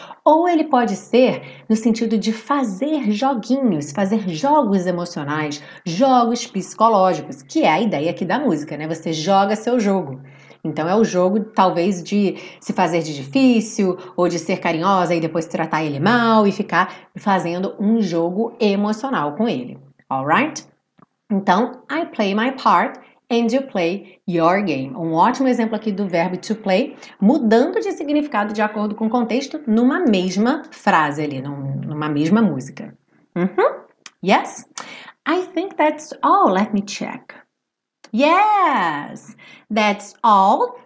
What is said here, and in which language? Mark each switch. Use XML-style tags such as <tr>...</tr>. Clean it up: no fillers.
<pt>Ou ele pode ser no sentido de fazer joguinhos, fazer jogos emocionais, jogos psicológicos, que é a ideia aqui da música, né? Você joga seu jogo. Então, é o jogo, talvez, de se fazer de difícil ou de ser carinhosa e depois tratar ele mal e ficar fazendo um jogo emocional com ele.</pt> <en>Alright?</en> <pt>Então,</pt> <en>I play my part and you play your game.</en> <pt>Um ótimo exemplo aqui do verbo to play, mudando de significado de acordo com o contexto numa mesma frase ali, numa mesma música.</pt> <en>Yes? I think that's all. Let me check. Yes, that's all.</en>